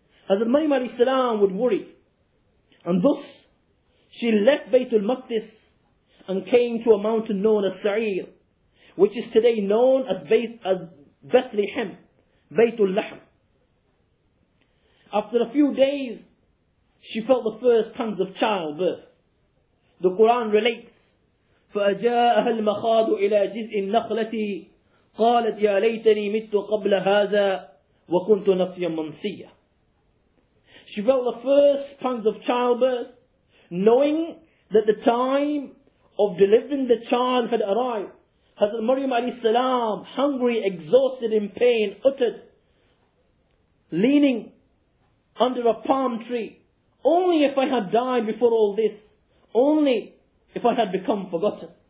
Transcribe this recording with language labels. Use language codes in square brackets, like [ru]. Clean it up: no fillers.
[en] Hazrat Maryam alayhi salam would worry. And thus, she left Baytul Maqdis and came to a mountain known as Sa'ir, which is today known as Bethlehem, Baytul Lahm. After a few days, she felt the first pangs of childbirth. The Quran relates, [ar] فأجاءها المخاض إلى جذع النخلة قالت يا ليتني مت قبل هذا وكنت نسيا منسيا. [en] She felt the first pangs of childbirth, knowing that the time of delivering the child had arrived. Hazrat Maryam alayhi salam, hungry, exhausted, in pain, uttered, leaning under a palm tree, only if I had died before all this, only if I had become forgotten.